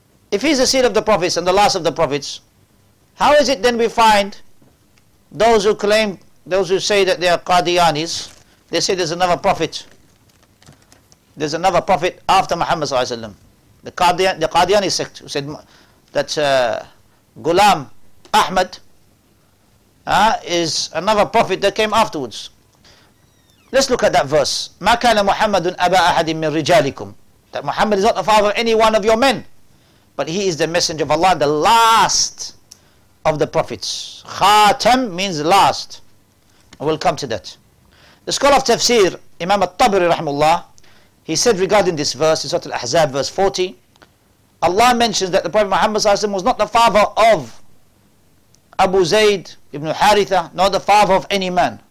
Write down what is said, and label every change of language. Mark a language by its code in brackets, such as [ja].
[en] If he's the seal of the prophets and the last of the prophets, how is it then we find those who claim, those who say that they are Qadiyanis, they say there's another prophet. There's another prophet after Muhammad Sallallahu Alaihi Wasallam. The Qadiyani sect who said that Ghulam Ahmad is another prophet that came afterwards. Let's look at that verse. [ar] مَا كَانَ مُحَمَّدٌ أَبَا أَحَدٍ مِّن رِجَالِكُمْ. [en] That Muhammad is not the father of any one of your men, but he is the messenger of Allah, the last of the prophets. Khatam means last. We'll come to that. The scholar of tafsir, Imam al-Tabri rahimullah, he said regarding this verse, in Surah Al-Ahzab verse 40, Allah mentions that the Prophet Muhammad sallallahu alayhi wa sallam was not the father of Abu Zayd ibn Haritha, nor the father of any man.